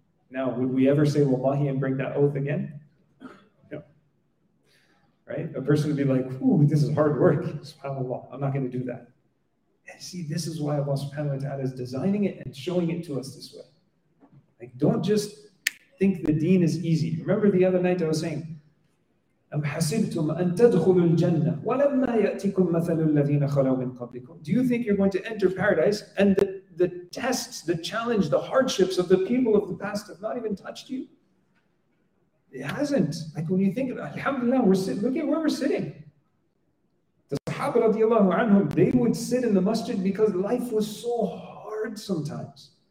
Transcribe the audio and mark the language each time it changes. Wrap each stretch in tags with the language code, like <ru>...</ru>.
<en>Now, would we ever say wallahi and break that oath again? No. Right? A person would be like, ooh, this is hard work. SubhanAllah, I'm not going to do that. See, this is why Allah subhanahu wa ta'ala is designing it and showing it to us this way. Like, don't just think the deen is easy. Remember the other night I was saying,</en> <ar>أَمْ حَسِبْتُمْ أَن تَدْخُلُوا الْجَنَّةِ وَلَمَّا يَأْتِكُمْ مَثَلُ الَّذِينَ خَلَوْا مِنْ قَبْلِكُمْ.</ar> <en>Do you think you're going to enter paradise and the tests, the challenge, the hardships of the people of the past have not even touched you? It hasn't. Like when you think of, alhamdulillah, we're sitting, look at where we're sitting. They would sit in the masjid because life was so hard sometimes.</en>